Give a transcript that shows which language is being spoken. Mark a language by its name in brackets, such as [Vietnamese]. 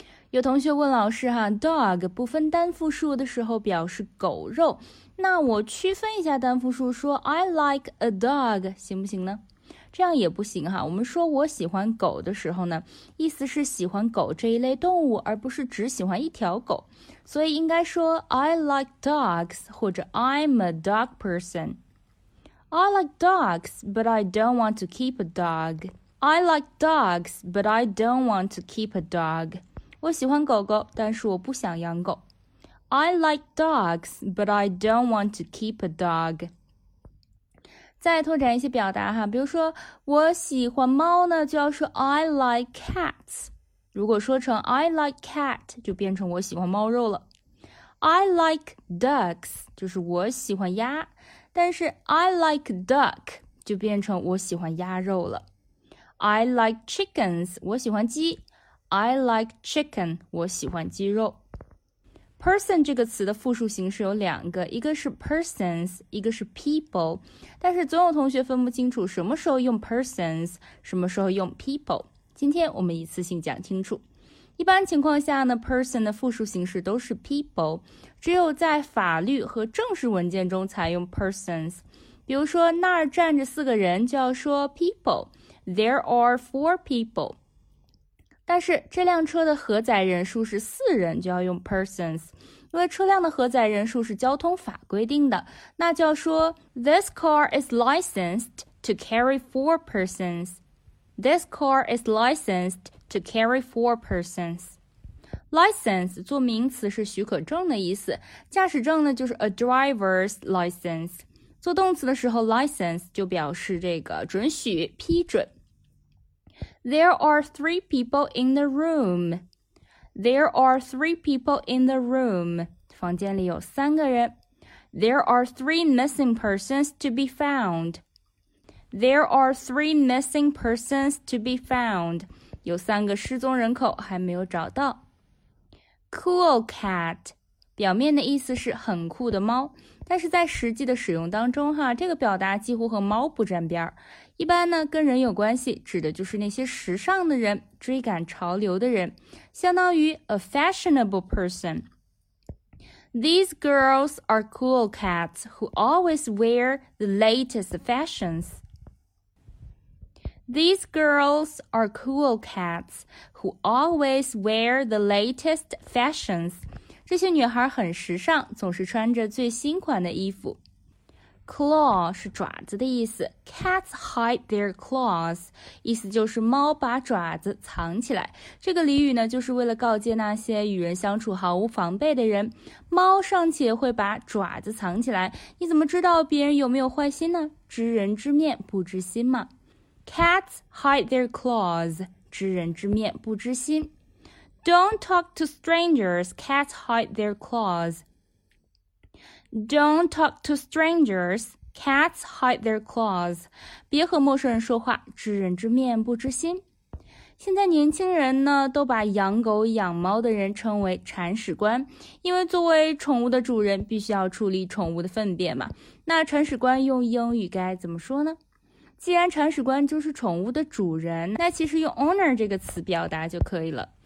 [Chinese] 有同学问老师哈， dog 不分单复数的时候表示狗肉，那我区分一下单复数说 [English] I like a dog [Chinese] 行不行呢？这样也不行哈，我们说我喜欢狗的时候呢，意思是喜欢狗这一类动物，而不是只喜欢一条狗，所以应该说 [English] I like dogs [Chinese] 或者 [English] I'm a dog person。 I like dogs but I don't want to keep a dog。 I like dogs but I don't want to keep a dog。 [Chinese] 我喜欢狗狗，但是我不想养狗。 [English] I like dogs, but I don't want to keep a dog. [Chinese] 再拓展一些表达哈，比如说我喜欢猫呢，就要说 [English] I like cats. [Chinese] 如果说成 [English] I like cat, [Chinese] 就变成我喜欢猫肉了。 [English] I like ducks, [Chinese] 就是我喜欢鸭，但是 [English] I like duck, [Chinese] 就变成我喜欢鸭肉了。 [English] I like chickens, [Chinese] 我喜欢鸡。 [English] I like chicken, [Chinese] 我喜欢鸡肉。 Person 这个词的复数形式有两个，一个是 persons, 一个是 people, 但是总有同学分不清楚什么时候用 persons, 什么时候用 people。今天我们一次性讲清楚。一般情况下呢， person 的复数形式都是 people, 只有在法律和正式文件中才用 persons。比如说那儿站着四个人就要说 people, [English] there are four people。 [Chinese] 但是这辆车的核载人数是四人就要用 persons， 因为车辆的核载人数是交通法规定的，那就要说 [English] This car is licensed to carry four persons. This car is licensed to carry four persons. [Chinese] License 做名词是许可证的意思，驾驶证呢就是 [English] a driver's license， [Chinese] 做动词的时候 license 就表示这个准许批准。 [English] There are three people in the room. There are three people in the room. [Chinese] 房间里有三个人。 [English] There are three missing persons to be found. There are three missing persons to be found. [Chinese] 有三个失踪人口还没有找到。 [English] Cool cat. [Chinese] 表面的意思是很酷的猫，但是在实际的使用当中哈，这个表达几乎和猫不沾边儿。一般呢跟人有关系，指的就是那些时尚的人，追赶潮流的人，相当于 [English] a fashionable person. These girls are cool cats who always wear the latest fashions. These girls are cool cats who always wear the latest fashions. [Chinese] 这些女孩很时尚，总是穿着最新款的衣服。 Claw 是爪子的意思， [English] Cats hide their claws， [Chinese] 意思就是猫把爪子藏起来。这个俚语呢就是为了告诫那些与人相处毫无防备的人，猫尚且会把爪子藏起来，你怎么知道别人有没有坏心呢？知人知面不知心嘛。 [English] Cats hide their claws， [Chinese] 知人知面不知心。 [English] Don't talk to strangers, cats hide their clawsDon't talk to strangers, cats hide their claws. [Chinese] 别和陌生人说话，知人知面不知心。现在年轻人呢，都把养狗养猫的人称为铲屎官，因为作为宠物的主人必须要处理宠物的粪便嘛。那铲屎官用英语该怎么说呢？既然铲屎官就是宠物的主人，那其实用 owner 这个词表达就可以了。